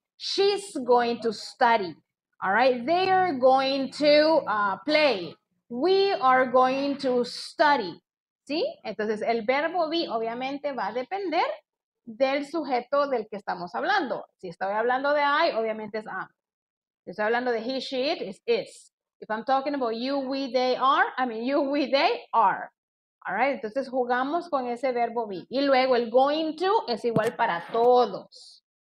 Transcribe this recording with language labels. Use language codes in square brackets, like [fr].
[en] She's going to study. All right? They're going to play. We are going to study. [es] ¿Sí? Entonces, el verbo be, obviamente, va a depender del sujeto del que estamos hablando. Si estoy hablando de I, obviamente es am. Si estoy hablando de he, she, it, es is. [en] If I'm talking about you, we, they, are, I mean you, we, they, are. All right? [es] Entonces jugamos con ese verbo be. Y luego el going to es igual para todos.